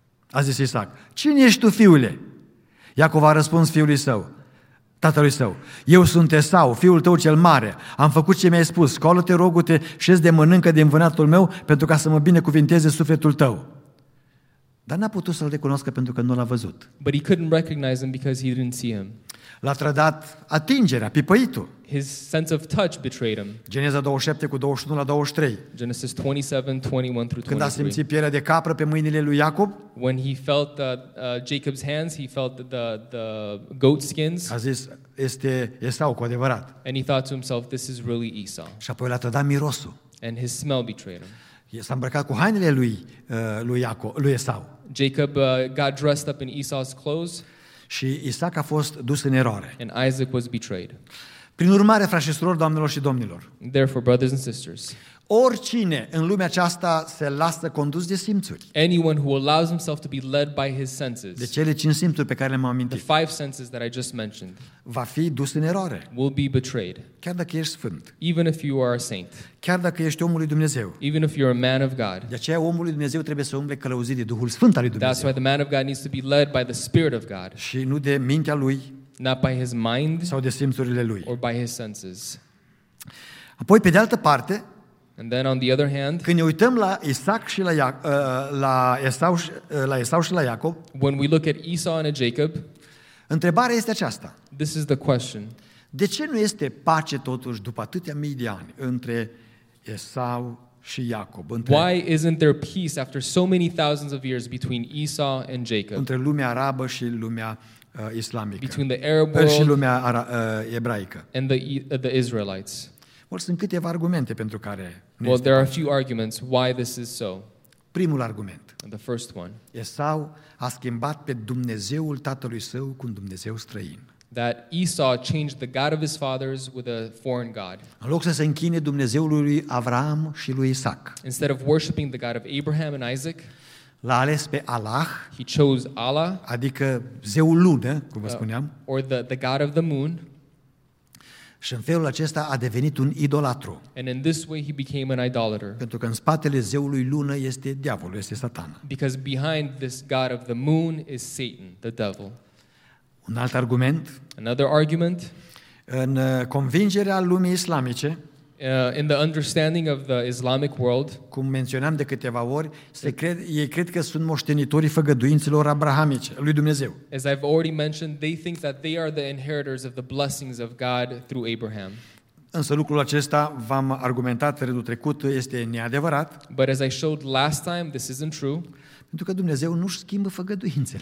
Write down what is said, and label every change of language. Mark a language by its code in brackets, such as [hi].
[ro] A zis Isaac: Cine ești tu, fiule? Iacov a răspuns tatălui său: Eu sunt Esau, fiul tău cel mare. Am făcut ce mi-ai spus. Scoală-te, rogu-te, șezi de mănâncă din vânatul meu, pentru ca să mă binecuvinteze sufletul tău. Dar n-a putut să-l recunoască pentru că nu l-a văzut. [en] But he couldn't recognize him because he didn't see him. [ro] L-a trădat atingerea, pipăitul. [en] His sense of touch betrayed him. [ro] Geneza 27 cu 21 la 23. [en] Genesis 27, 21 through 23. [ro] Când a simțit pielea de capră pe mâinile lui Iacob, [en] when he felt Jacob's hands, he felt the goat skins. [ro] A zis, este Esau cu adevărat. [en] And he thought to himself, this is really Esau. [ro] Și apoi l-a trădat mirosul. [en] And his smell betrayed him. [ro] S-a îmbrăcat cu hainele lui Esau. [en] Jacob got dressed up in Esau's clothes. [ro] Și Isaac a fost dus în eroare. [en] And Isaac was betrayed. [ro] Prin urmare, frașii și surori, doamnelor și domnilor. [en] Therefore, brothers and sisters. [ro] Oricine în lumea aceasta se lasă condus de simțuri. [en] Anyone who allows himself to be led by his senses. [ro] De cele cinci simțuri pe care le-am amintit. [en] The five senses that I just mentioned. [ro] Va fi dus în eroare. [en] Will be betrayed. [ro] Chiar dacă ești sfânt. [en] Even if you are a saint. [ro] Chiar dacă ești omul lui Dumnezeu. [en] Even if you're a man of God. [ro] De aceea omul lui Dumnezeu trebuie să umble călăuzit de Duhul Sfânt al lui Dumnezeu. [en] That's why the man of God needs to be led by the Spirit of God. [ro] Și nu de mintea lui. [en] Not by his mind. [ro] Sau de simțurile lui. [en] Or by his senses. [ro] Apoi, pe de altă parte. [en] And then on the other hand, [ro] când ne uităm la Isaac și la Esau și la Iacob, [en] when we look at Esau and Jacob, [ro] întrebarea este aceasta. [en] This is the question. [ro] De ce nu este pace totuși după atâtea mii de ani între Esau și Iacob? [en] Why isn't there peace after so many thousands of years between Esau and Jacob? [ro] Între lumea arabă și lumea islamică. [en] Between the Arab world [ro] și lumea ebraică. [en] And the Israelites. [ro] Well, sunt câteva argumente pentru care [en] there are a few arguments why this is so. [ro] Primul argument. [en] The first one. [ro] Esau a schimbat pe Dumnezeul tatălui său cu un Dumnezeu străin. [en] That Esau changed the god of his fathers with a foreign god. [ro] În loc să se închine Dumnezeului lui Avraam și lui Isaac. [en] Instead of worshiping the god of Abraham and Isaac, [ro] l-a ales pe Allah. [en] He chose Allah. [ro] Adică zeul lună, cum vă spuneam. [en] Or the god of the moon. [ro] Și în felul acesta a devenit un idolatru. [en] And in this way he became an idolater. [ro] Pentru că în spatele zeului lună este diavolul, este Satan. [en] Because behind this god of the moon is Satan, the devil. [ro] Un alt argument. [en] Another argument. [ro] În convingerea lumii islamice. [en] In the understanding of the Islamic world. [ro] Cum menționam de câteva ori, ei cred că sunt moștenitorii făgăduințelor abrahamice, lui Dumnezeu. [en] As I've already mentioned, they think that they are the inheritors of the blessings of God through Abraham. [ro] Însă lucrul acesta, v-am argumentat în rândul trecut, este neadevărat. [en] But as I showed last time, this isn't true. [ro] Pentru că Dumnezeu nu-și schimbă făgăduințele.